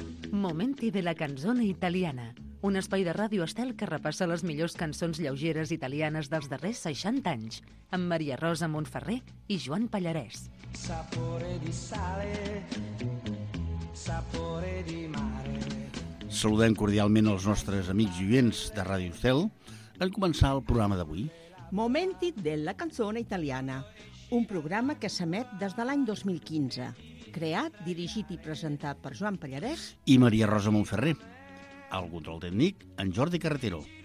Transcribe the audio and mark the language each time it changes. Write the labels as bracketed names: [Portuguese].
[Catalan] Momenti della canzone italiana, un espai de ràdio estel que repassa les millors cançons lleugeres italianes dels darrers 60 anys, amb Maria Rosa Montferrer i Joan Pallarès. [Italian] Sapore di sale, sapore di mare. [Catalan] Saludem cordialment els nostres amics i oients de Ràdio Estel en començar el programa d'avui. Momenti della canzone italiana, un programa que s'emet des de l'any 2015. Creat, dirigit i presentat per Joan Pallarès i Maria Rosa Montferrer. Al control tècnic, en Jordi Carretero.